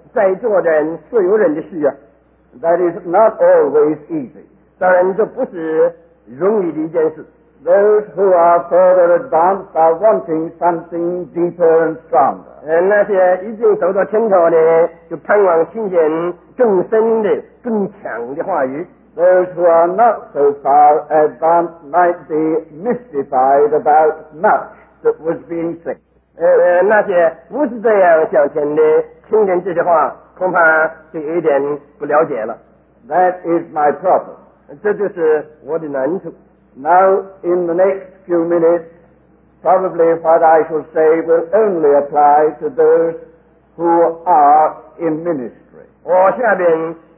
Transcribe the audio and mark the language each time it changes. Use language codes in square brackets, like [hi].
[zh] 我一直就是想要做到一个地步，能应付在座的人所有人的需要。 [en] That is not always easy. [zh] 当然这不是容易的一件事。 [en] Those who are further advanced are wanting something deeper and stronger. [zh] 那些已经走到天头的，就盼望听见更深的、更强的话语。 [en] Those who are not so far advanced might be mystified about much that was being said. [zh] 那些不是这样想听的，听见这些话，恐怕就有点不了解了。 [en] That is my problem. [zh] 这就是我的难处。 [en] Now, in the next few minutes, probably what I shall say will only apply to those who are in ministry.